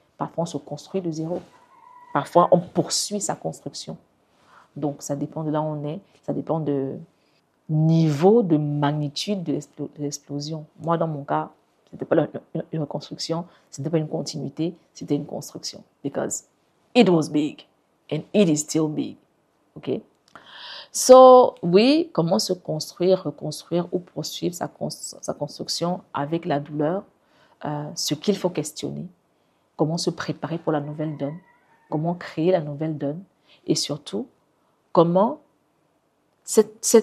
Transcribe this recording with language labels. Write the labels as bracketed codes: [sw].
[fr] Parfois, on se construit de zéro. Parfois, on poursuit sa construction. Donc, ça dépend de là où on est. Ça dépend de niveau de magnitude de l'explosion. Moi, dans mon cas, ce n'était pas une reconstruction, ce n'était pas une continuité, c'était une construction. [en] Because it was big and it is still big. Okay? [fr] So, oui, comment se construire, reconstruire ou poursuivre sa construction avec la douleur, ce qu'il faut questionner, comment se préparer pour la nouvelle donne, comment créer la nouvelle donne et surtout, comment cette